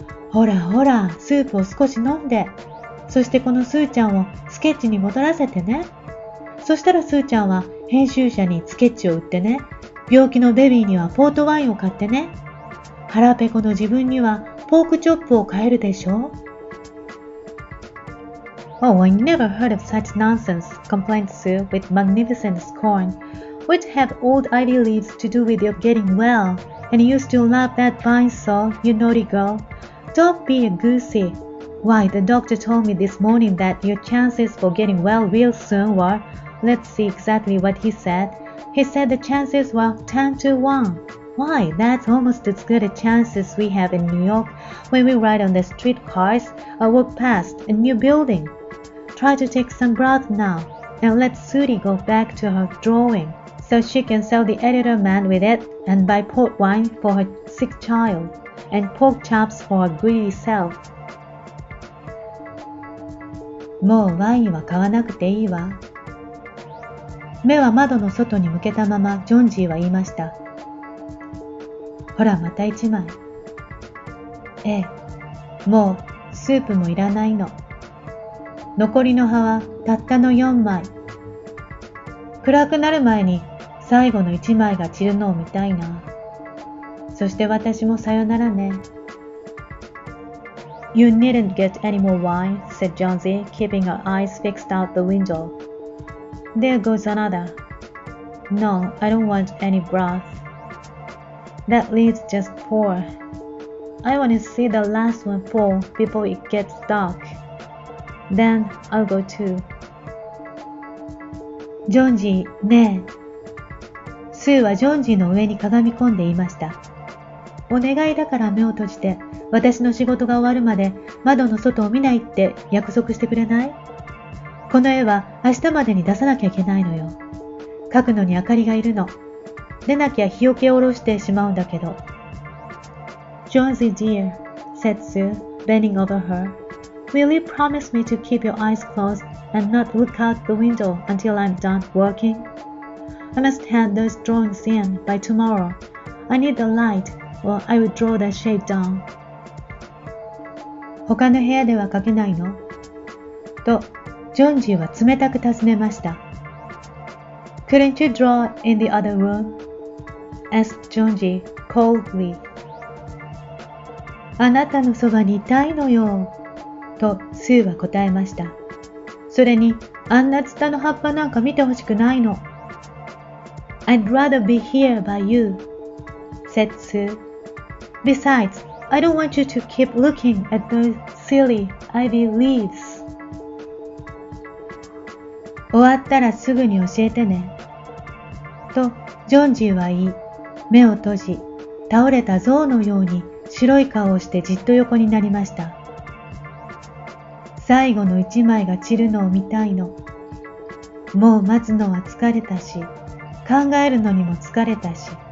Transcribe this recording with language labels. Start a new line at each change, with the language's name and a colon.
Japanese: ほらほら、スープを少し飲んで、そしてこのスーちゃんをスケッチに戻らせてね。そしたらスーちゃんは編集者にスケッチを売ってね、病気のベビーにはポートワインを買ってね、腹ペコの自分にはポークチョップを買えるでしょ。
English: Oh, I never heard of such nonsense, complained Sue with magnificent scorn. What have old ivy leaves to do with your getting well? And you still love that vine saw, you naughty girl. Don't be a goosey. Why, the doctor told me this morning that your chances for getting well real soon were, let's see exactly what he said. He said the chances were 10 to 1. Why, that's almost as good a chance as we have in New York when we ride on the streetcars or walk past a new building. Try to take some breath now and let Sudi go back to her drawing so she can sell the editor man with it and buy port wine for her sick child. And pork chops for a greedy self.
Japanese: もうワインは買わなくていいわ。目は窓の外に向けたままジョンジーは言いました。ほら、また一枚。ええ、もうスープもいらないの。残りの葉はたったの4枚。暗くなる前に最後の1枚が散るのを見たいな。そして私もさよならね。
English: You needn't get any more wine, said Jonesy, keeping her eyes fixed out the window. There goes another. No, I don't want any broth. That leaves just four. I want to see the last one fall before it gets dark. Then I'll go too.
Japanese: Jonesy, ねえ。 Sue はジョンジーの上にかがみ込んでいました。お願いだから目を閉じて。私の仕事が終わるまで窓の外を見ないって約束してくれない？この絵は明日までに出さなきゃいけないのよ。描くのに明かりがいるの。出なきゃ日よけを下ろしてしまうんだけど。
English: Jonesy dear, said Sue, bending over her, will you promise me to keep your eyes closed and not look out the window until I'm done working? I must hand those drawings in by tomorrow. I need the light, or I will draw the shade down.
Japanese: 他の部屋では描けないの？と、ジョンジーは冷たく尋ねました。
English: Couldn't you draw in the other room? Asked Jonesy coldly.
Japanese: あなたのそばにいたいのよ。と、スーは答えました。それに、あんなツタの葉っぱなんか見てほしくないの。
English: I'd rather be here by you, said Sue. Besides,I don't want you to keep looking at those silly ivy leaves.
Japanese: 終わったらすぐに教えてね。と、ジョンジーは言い、目を閉じ、倒れた象のように白い顔をしてじっと横になりました。最後の一枚が散るのを見たいの。もう待つのは疲れたし、考えるのにも疲れたし。